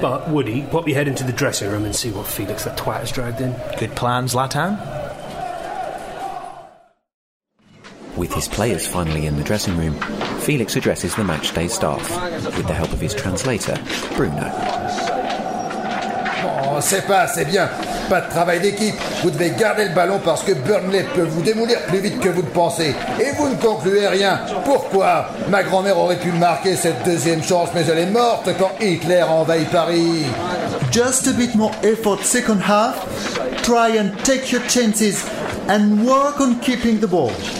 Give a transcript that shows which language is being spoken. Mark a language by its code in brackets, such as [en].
[en] But, Woody, pop your head into the dressing room and see what Felix the twat has dragged in. Good plans, Latan. With his players finally in the dressing room, Felix addresses the match day staff with the help of his translator, Bruno. [fr] Oh, c'est pas assez bien. Pas de travail d'équipe. Vous devez garder le ballon parce que Burnley peut vous démolir plus vite que vous le pensez. Et vous ne concluez rien. Pourquoi ? Ma grand-mère aurait pu marquer cette deuxième chance, mais elle est morte quand Hitler envahit Paris. [en] Just a bit more effort second half. Try and take your chances and work on keeping the ball.